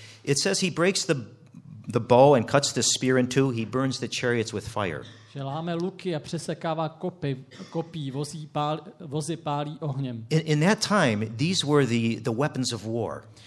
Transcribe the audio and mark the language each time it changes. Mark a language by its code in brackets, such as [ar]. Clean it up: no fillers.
[en] It says he breaks the bow and cuts the spear in two. He burns the chariots with fire. [cs] Že láme luky a přesekává kopí, vozy pálí ohněm. [en] In that time, these were the weapons of war.